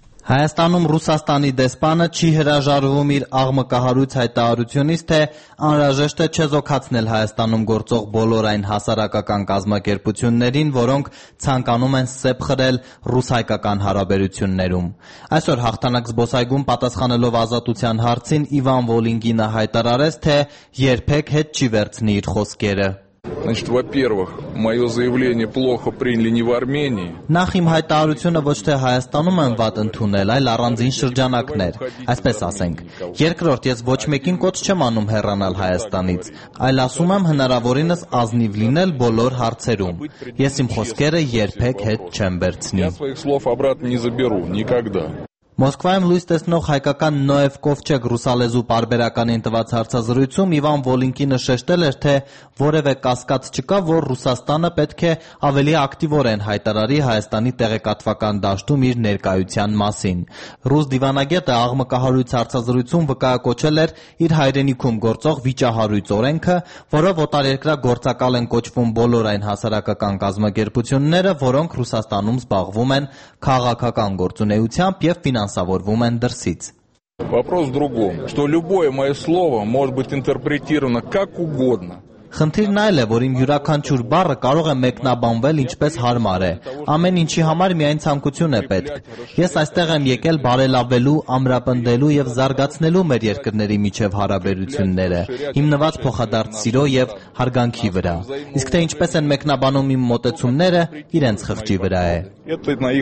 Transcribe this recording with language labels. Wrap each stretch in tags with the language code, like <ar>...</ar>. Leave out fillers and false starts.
<hy>Հայաստանում Ռուսաստանի դեսպանը չի հրաժարվում իր աղմկահարույց հայտարարությունից, թե անհրաժեշտ է չեզոքացնել Հայաստանում գործող բոլոր այն հասարակական կազմակերպություններին, որոնք ցանկանում են սեպ խրել ռուս-հայկական հարաբերություններում։ Այսօր հաղթանակ զբոսայգում պատասխանելով ազատության հարցին Իվան Վոլինգինը հայտարարեց, թե երբեք հետ չի վերցնի իր խոսքերը։</hy> <ru>Значит, во-первых, мое заявление плохо приняли не в Армении.</ru> <hy>Նախ իմ հայտարարությունը ոչ թե Հայաստանում եմ վատ ընդունել, այլ առանձին շրջանակներ, այսպես ասենք։ Երկրորդ, ես ոչ մեկին կոչ չեմ անում հեռանալ Հայաստանից, այլ ասում եմ հնարավորինս ազնիվ լինել բոլոր հարցերում։ Ես իմ խոսքերը երբեք հետ չեմ վերցնի։</hy> <ru>Я своих слов обратно не заберу никогда.</ru> <hy>Մոսկվայում լույս տեսնող հայկական Նոև Կովչեկ ռուսալեզու պարբերականին տված հարցազրույցում Իվան Վոլինկինը շեշտել էր, թե որևէ կասկած չկա, որ Ռուսաստանը պետք է ավելի ակտիվորեն հայտարարի Հայաստանի տեղեկատվական դաշտում իր ներկայության մասին։ Ռուս դիվանագետը աղմկահարույց հարցազրույցում վկայակոչել էր իր հայրենիքում գործող վիճահարույց օրենքը, որով օտարերկրյա գործակալ են կոչվում բոլոր այն հասարակական կազմակերպությունները, որոնք Ռուսաստանում զբաղվում են քաղաքական գործունեությամբ և</hy> <ru>финансовым эндерсиц. Вопрос в другом, что любое мое слово может быть интерпретировано как угодно.</ru> <hy>Խնդիրն այլ է, որ իմ յուրաքանչյուր բառը կարող է մեկնաբանվել ինչպես հարմար է։ Ամեն ինչի համար միայն ցանկություն է պետք։ Ես այստեղ եմ եկել բարելավելու, ամրապնդելու եւ զարգացնելու մեր երկրների միջև հարաբերությունները, հիմնված փոխադարձ սիրո եւ հարգանքի վրա։ Իսկ թե ինչպես են մեկնաբանում իմ մտածումները, իրենց խղճի վրա է։</hy>